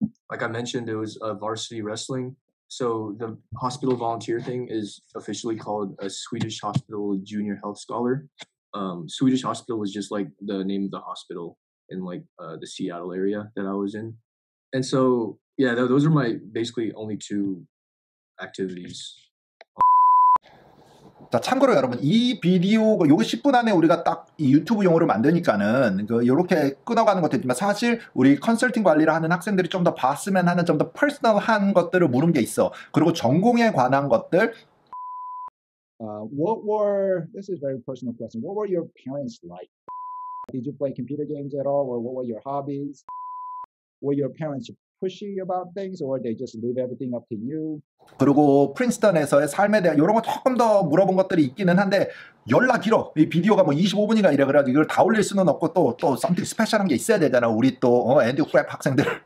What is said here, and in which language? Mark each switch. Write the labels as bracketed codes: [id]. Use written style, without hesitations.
[en] Like I mentioned, it was varsity wrestling. So the hospital volunteer thing is officially called a Swedish hospital junior health scholar. Swedish hospital is just like the name of the hospital in like the Seattle area that I was in. And so, yeah, those are my basically only two activities. [ko] 자, 참고로 여러분, 이 비디오, 요거 10분 안에 우리가 딱 유튜브 용으로 만드니까는, 요렇게 끊어가는 것도 있지만, 사실, 우리 컨설팅 관리를 하는 학생들이 좀 더 봤으면 하는 좀 더 퍼스널한 것들을 물은 게 있어. 그리고 전공에 관한 것들. [en] What were, this is a very personal question. What were your parents like? Did you play computer games at all? Or what were your hobbies? Were your parents pushy about things or they just leave everything up to you. [ko] 그리고 프린스턴에서의 삶에 대한 이런 거 조금 더 물어본 것들이 있기는 한데 열나 길어. 이 비디오가 뭐 25분인가 이래 그래가지고 이걸 다 올릴 수는 없고 또 [en] something special [ko] 한 게 있어야 되잖아. 우리 또 앤디프랩 학생들.